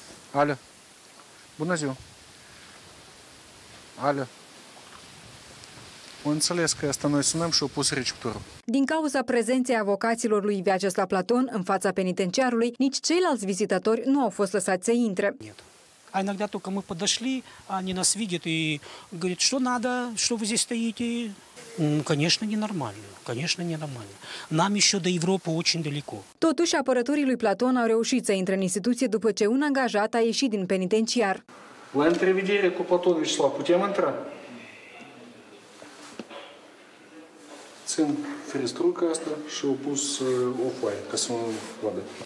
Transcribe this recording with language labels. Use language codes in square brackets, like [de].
[ro] Alo, bună ziua. Alo. Înțeles că asta noi sunăm și opus receptorul. Din cauza prezenței avocaților lui Vyacheslav Platon în fața penitenciarului, nici ceilalți vizitatori nu au fost lăsați să intre. [ru] А иногда только мы подошли, они нас видят и говорят, что надо, что вы здесь стоите. Конечно, ненормально. Конечно, ненормально. Нам еще до Европы очень далеко. [ro] Totuși, apărătorii lui Platon au reușit să intre în instituție după ce un angajat a ieșit din penitenciar. La întrevedere cu Platon Vyacheslav, putem intra? Țin ferestruica asta și au pus o foaie, ca să mă vadă.